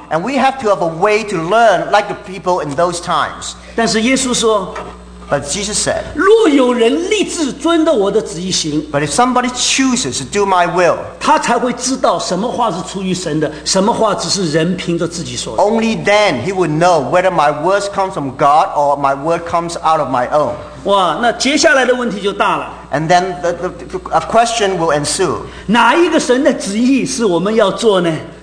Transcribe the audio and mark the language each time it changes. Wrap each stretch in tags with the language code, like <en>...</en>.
<en>And we have to have a way to learn like the people in those times.</en> <zh>但是耶稣说,</zh> <en>but Jesus said,</en> <zh>若有人立志遵着我的旨意行,</zh> <en>but if somebody chooses to do my will,</en> <zh>他才会知道什么话是出于神的，什么话只是人凭着自己说的。</zh> <en>Only then he would know whether my words come from God or my word comes out of my own.</en> <zh>哇，那接下来的问题就大了。</zh> <en>And then a question will ensue.</en> <zh>哪一个神的旨意是我们要做呢？</zh>